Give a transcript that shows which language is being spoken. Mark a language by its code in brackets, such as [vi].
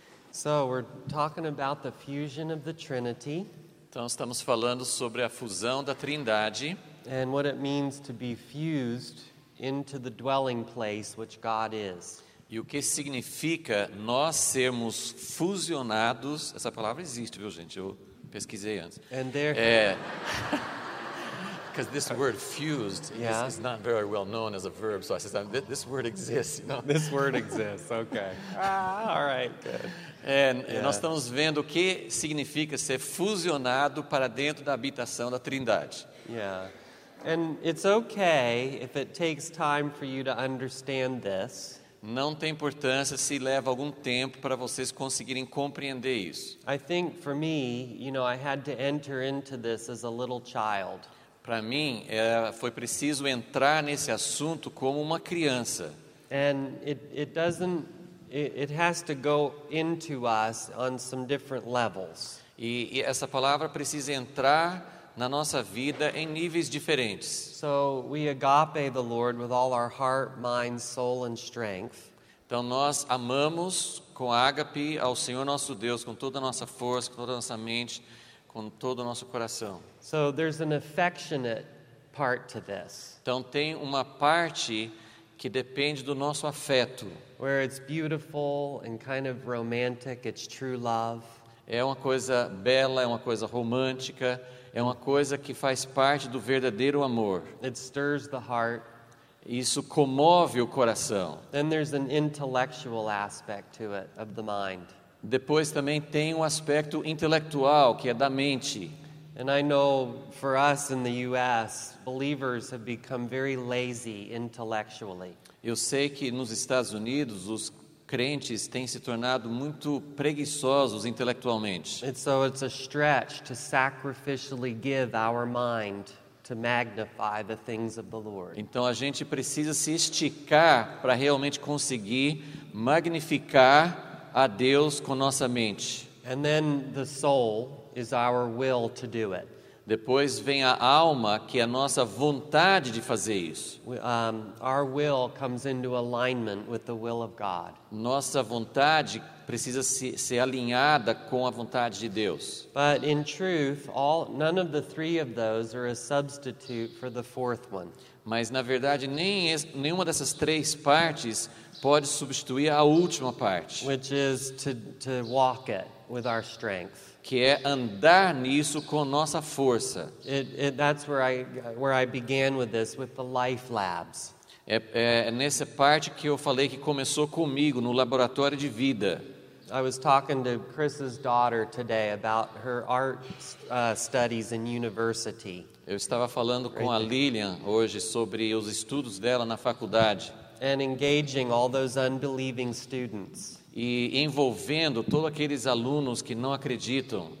[en] So we're talking about the fusion of the Trinity. [pt] Então estamos falando sobre a fusão da Trindade. [en] And what it means to be fused into the dwelling place which God is. [pt] E o que significa nós sermos fusionados? Essa palavra existe, viu, gente? Eu pesquisei antes. [en] And there. Because this word fused is not very well known as a verb, so I said this word exists. You know? This word exists. Okay. All right. [pt] And nós estamos vendo o que significa ser fusionado para dentro da habitação da Trindade. [en] Yeah. And it's okay if it takes time for you to understand this. [pt] Não tem importância se leva algum tempo para vocês conseguirem compreender isso. [en] I think for me, you know, I had to enter into this as a little child. [pt] Para mim, foi preciso entrar nesse assunto como uma criança. [en] And it has to go into us on some different levels. [pt] E essa palavra precisa entrar na nossa vida em níveis diferentes. [en] So we agape the Lord with all our heart, mind, soul and strength. [pt] Então nós amamos com ágape ao Senhor nosso Deus com toda a nossa força, com toda a nossa mente, com todo o nosso coração. [en] So there's an affectionate part to this. [pt] Então tem uma parte que depende do nosso afeto. [en] Where it's beautiful and kind of romantic, it's true love. [pt] É uma coisa bela, é uma coisa romântica. É uma coisa que faz parte do verdadeiro amor. [en] It stirs the heart. [pt] Isso comove o coração. [en] Then there's an intellectual aspect to it, of the mind. [pt] Depois também tem um aspecto intelectual, que é da mente. [en] And I know for us in the US, believers have become very lazy intellectually. [pt] Eu sei que nos Estados Unidos os crentes têm se tornado muito preguiçosos intelectualmente. [en] And so it's a stretch to sacrificially give our mind to magnify the things of the Lord. [pt] Então a gente precisa se esticar para realmente conseguir magnificar a Deus com nossa mente. [en] And then the soul is our will to do it. [pt] Depois vem a alma, que é a nossa vontade de fazer isso. [en] Our will comes into alignment with the will of God. [pt] Nossa vontade precisa ser alinhada com a vontade de Deus. [en] But in truth, none of the three of those are a substitute for the fourth one. [pt] Mas na verdade nenhuma dessas três partes pode substituir a última parte. [en] Which is to walk it with our strength. [pt] Que é andar nisso com nossa força. [en] That's where I began with this, with the life labs. [pt] É nessa parte que eu falei que começou comigo, no laboratório de vida. [en] I was talking to Chris's daughter today about her art studies in university. [pt] Eu estava falando com a Lilian hoje sobre os estudos dela na faculdade. [en] And engaging all those unbelieving students. [pt] E envolvendo todos aqueles alunos que não acreditam.